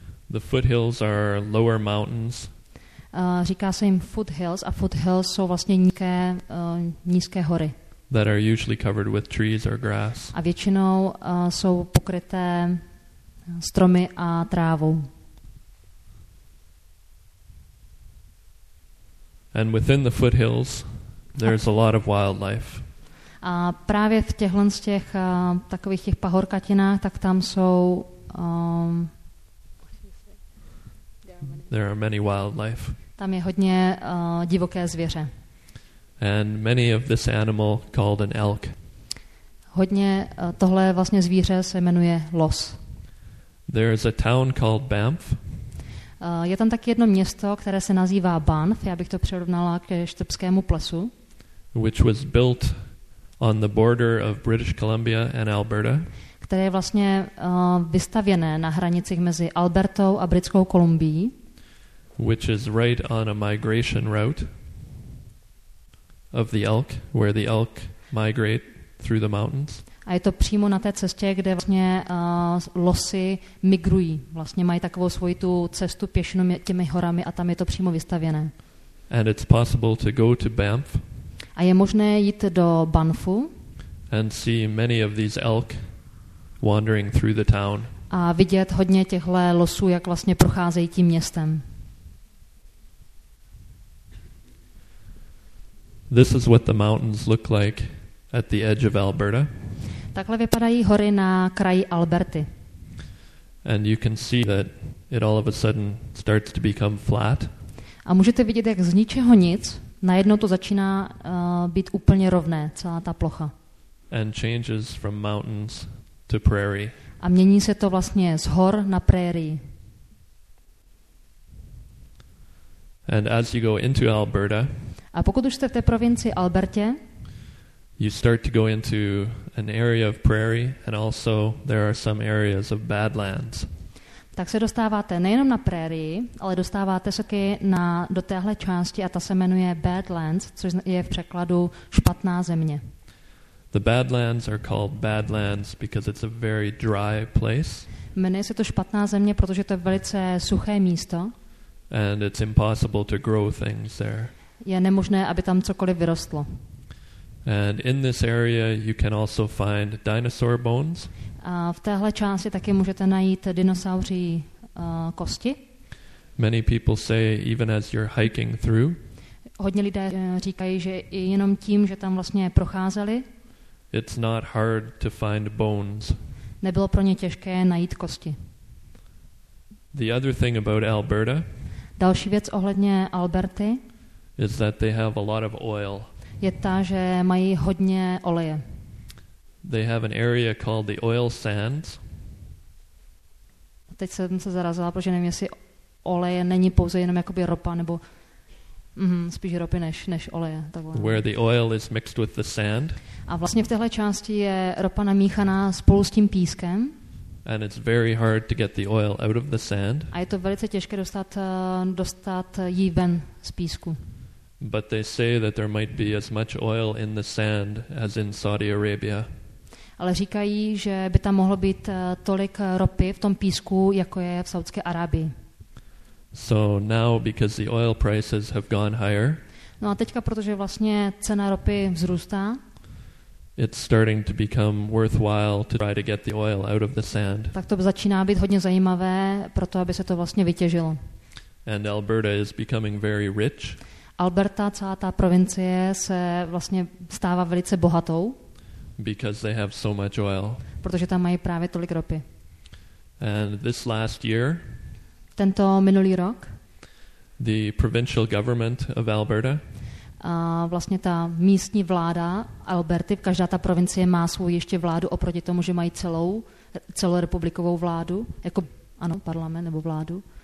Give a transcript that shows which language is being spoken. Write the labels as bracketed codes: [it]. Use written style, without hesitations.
[en] The foothills are lower mountains. [cs] Říká se jim foothills a foothills jsou vlastně nízké, nízké hory. [en] That are usually covered with trees or grass. [cs] A většinou jsou pokryté stromy a trávou. [en] And within the foothills there's a lot of wildlife. [cs] A právě v těchhle z těch takových těch pahorkatinách, tak tam jsou [en] there are many wildlife. [cs] Tam je hodně divoké zvěře. [en] And many of this animal called an elk. [cs] Hodně tohle vlastně zvíře se jmenuje los. [en] There is a town called Banff. [cs] Je tam taky jedno město, které se nazývá Banff, já bych to přirovnala ke Štrbskému plesu. [en] Which was built on the border of British Columbia and Alberta. [cs] Které je vlastně vystavěné na hranicích mezi Albertou a Britskou Kolumbií. [en] Which is right on a migration route of the elk, where the elk migrate through the mountains. [cs] A je to přímo na té cestě, kde vlastně losy migrují. Vlastně mají takovou svoji tu cestu pěšinu těmi horami a tam je to přímo vystavěné. [en] And it's possible to go to Banff. [cs] A je možné jít do Banffu. [en] And see many of these elk wandering through the town. [cs] A vidět hodně těchhle losů, jak vlastně procházejí tím městem. [en] This is what the mountains look like at the edge of Alberta. [cs] Takhle vypadají hory na kraji Alberty. [en] And you can see that it all of a sudden starts to become flat. [cs] A můžete vidět, jak z ničeho nic najednou to začíná být úplně rovné, celá ta plocha. [en] And changes from mountains to prairie. [cs] A mění se to vlastně z hor na prairie. [en] And as you go into Alberta, [cs] a pokud už jste v té provincii Albertě, [en] you start to go into an area of prairie and also there are some areas of badlands. [cs] Tak se dostáváte nejenom na prairie, ale dostáváte se taky na do téhle části a ta se jmenuje Badlands, což je v překladu špatná země. [en] The Badlands are called Badlands because it's a very dry place. [cs] Jmenuje se to špatná země, protože to je velice suché místo. [en] And it's impossible to grow things there. [cs] Je nemožné, aby tam cokoliv vyrostlo. [en] And in this area you can also find dinosaur bones. [cs] A v téhle části taky můžete najít dinosauří kosti. [en] Many people say even as you're hiking through. [cs] Hodně lidé říkají, že i jenom tím, že tam vlastně procházeli. [en] It's not hard to find bones. [cs] Nebylo pro ně těžké najít kosti. [en] The other thing about Alberta. [cs] Další věc ohledně Alberty. [en] Is that they have a lot of oil. [cs] Je ta, že mají hodně oleje. [en] They have an area called the oil sands. [cs] Teď jsem se zarazila, protože nevím, jestli oleje není pouze jenom jakoby ropa, nebo spíš ropy než oleje. Takhle. [en] Where the oil is mixed with the sand. [cs] A vlastně v téhle části je ropa namíchaná spolu s tím pískem. [en] And it's very hard to get the oil out of the sand. [cs] A je to velice těžké dostat jí ven z písku. [en] But they say that there might be as much oil in the sand as in Saudi Arabia. [cs] Ale říkají, že by tam mohlo být tolik ropy v tom písku, jako je v Saudské Arábii. [en] So now because the oil prices have gone higher. [cs] No a teďka protože vlastně cena ropy vzrůstá. [en] It's starting to become worthwhile to try to get the oil out of the sand. [cs] Tak to začíná být hodně zajímavé pro to, aby se to vlastně vytěžilo. [en] And Alberta is becoming very rich. [cs] Alberta, celá ta provincie, se vlastně stává velice bohatou. [en] Because they have so much oil. [cs] Protože tam mají právě tolik ropy. [en] And this last year, [cs] tento minulý rok, [en] the provincial government of Alberta, [cs] a vlastně ta místní vláda Alberty, každá ta provincie má svou ještě vládu oproti tomu, že mají celou republikovou vládu, jako ano, parlament nebo vládu,